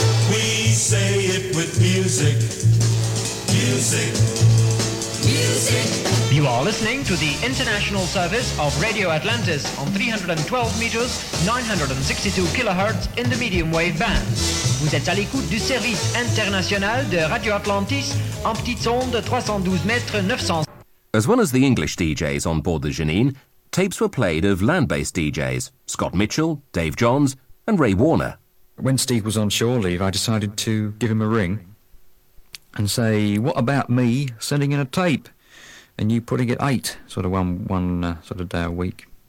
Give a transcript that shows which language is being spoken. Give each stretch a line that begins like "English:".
English: We say it with music, music, music. You are listening to the international service of Radio Atlantis on 312 meters, 962 kilohertz in the medium wave band.
French: Vous êtes à l'écoute du service international de Radio Atlantis en petite onde 312 mètres 900.
English: As well as the English DJs on board the Janine, tapes were played of land-based DJs, Scott Mitchell, Dave Johns and Ray Warner. When Steve was on shore leave, I decided to give him a ring and say, what about me sending in a tape? And you putting it eight, sort of one sort of day a week.